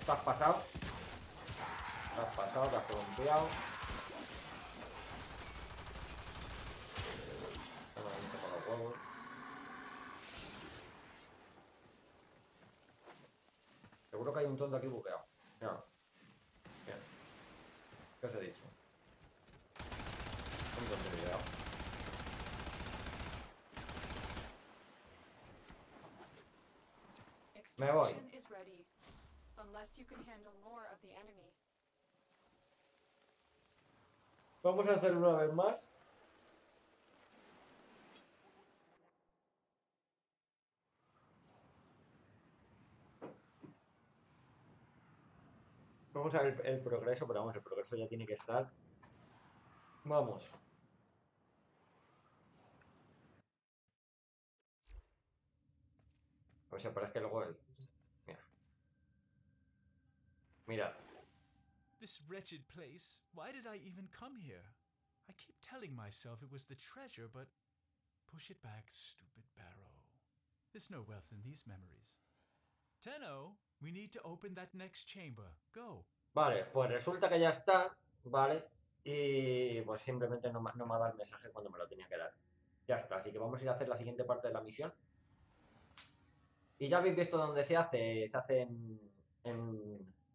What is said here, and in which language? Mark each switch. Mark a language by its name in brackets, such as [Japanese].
[Spanish] Te has pasado, te has columpiado. Solamente por los huevos. Seguro que hay un tonto aquí buqueado. Mira. Mira. ¿Qué os he dicho? Un tonto buqueado. Me voy. [English] Unless you can handle more of the enemy. [Spanish] Vamos a hacer una vez más. Vamos a ver el progreso, pero vamos, el progreso ya tiene que estar. Vamos. Pues se parece que luego... [English] Mira. This wretched place. Why did I even come here? I keep telling myself it was the treasure, but push it back, stupid barrow. There's no wealth in these memories. Tenno, we need to open that next chamber. Go. [Spanish] Vale, pues resulta que ya está, vale. Y pues simplemente no me ha dado el mensaje cuando me lo tenía que dar. Ya está, así que vamos a ir a hacer la siguiente parte de la misión. Y ya habéis visto dónde se hace. Se hace en...